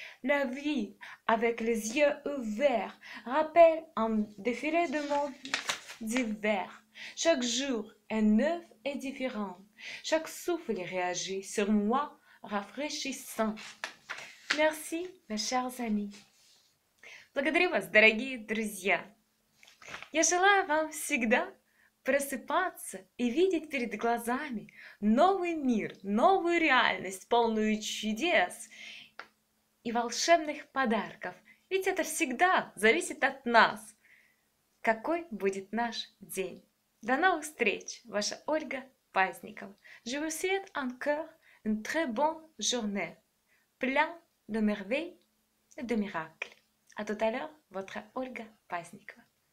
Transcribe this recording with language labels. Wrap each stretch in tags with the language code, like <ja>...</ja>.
<fr>La vie, avec les yeux ouverts, rappelle un défilé de monde d'hiver. Chaque jour est neuf et différent. Chaque souffle réagit sur moi, rafraîchissant. Merci, mes chers amis.</fr> <ru>Благодарю вас, дорогие друзья. Я желаю вам всегда просыпаться и видеть перед глазами новый мир, новую реальность, полную чудес и волшебных подарков. Ведь это всегда зависит от нас, какой будет наш день. До новых встреч, ваша Ольга. Праздников.</ru> <fr>Je vous souhaite encore une très bonne journée, plein de merveilles et de miracles. À tout à l'heure, votre Ольга Пасникова.</fr>